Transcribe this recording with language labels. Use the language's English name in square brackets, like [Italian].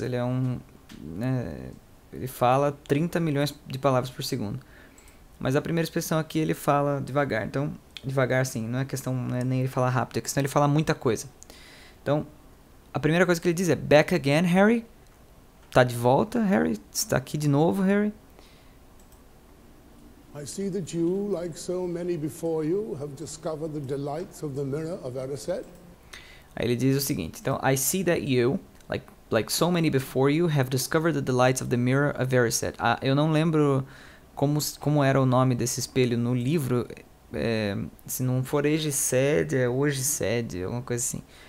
[Portuguese] Ele é um, né, ele fala 30 milhões de palavras por segundo. Mas a primeira expressão aqui, ele fala devagar. Então, devagar sim, não é questão, não é nem ele falar rápido, é questão ele falar muita coisa. Então, a primeira coisa que ele diz é: [English] back again, Harry? [Portuguese] Tá de volta, Harry? Está aqui de novo, Harry? [English] I see that you, like so many before you, have discovered the delights of the mirror of Erised. [Portuguese] Aí ele diz o seguinte, então: [English] I see that you, like so many before you, have discovered the delights of the mirror of Erised. [Portuguese] Eu não lembro como era o nome desse espelho no livro, se não for Erised, é Erised, alguma coisa assim.